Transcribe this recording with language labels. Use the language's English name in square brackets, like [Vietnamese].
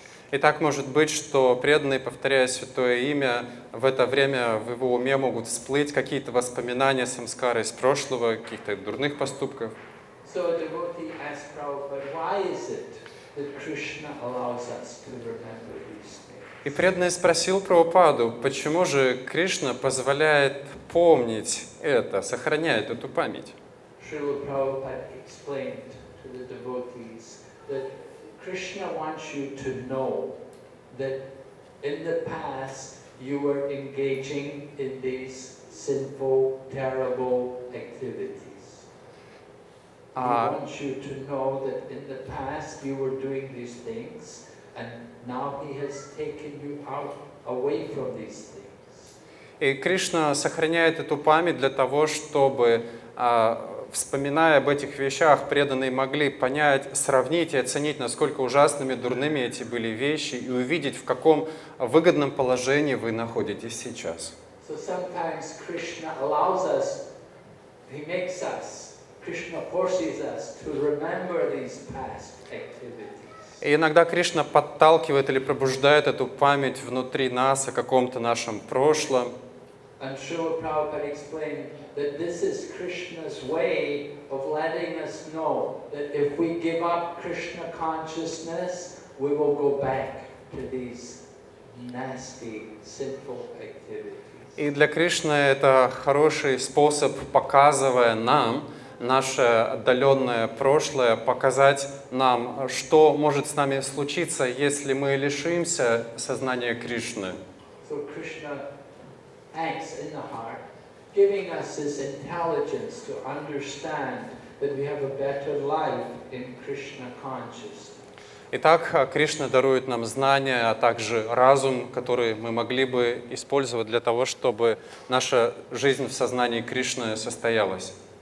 [Russian] Итак, может быть, что преданные, повторяя святое имя, в это время в его уме могут всплыть какие-то воспоминания самскары из прошлого, каких-то дурных поступков. [English] So a devotee asked Prabhupada, why is it that Krishna allows us to remember these things? [Russian] И преданный спросил Прабхупаду, почему же Кришна позволяет помнить это, сохраняет эту память? [English] Srila Prabhupada explained to the devotees that Krishna wants you to know that in the past you were engaging in these sinful, terrible activities. He wants you to know that in the past you were doing these things, and now he has taken you out away from these things. [Russian] И Кришна сохраняет эту память для того, чтобы, вспоминая об этих вещах, преданные могли понять, сравнить и оценить, насколько ужасными, дурными эти были вещи, и увидеть, в каком выгодном положении вы находитесь сейчас. [English] So sometimes Krishna allows us, he makes us. Krishna forces us to remember these past activities. [Russian] И иногда Кришна подталкивает или пробуждает эту память внутри нас о каком-то нашем прошлом. [English] And Srila Prabhupada explained that this is Krishna's way of letting us know that if we give up Krishna consciousness, we will go back to these nasty, sinful activities. [Russian] И для Кришны это хороший способ, показывая нам наше отдаленное прошлое, показать нам, что может с нами случиться, если мы лишимся сознания Кришны. [English] So Krishna acts in the heart, giving us this intelligence to understand that we have a better life in Krishna consciousness. [Russian] Итак, Кришна дарует нам знания, а также разум, который мы могли бы использовать для того, чтобы наша жизнь в сознании Кришны состоялась.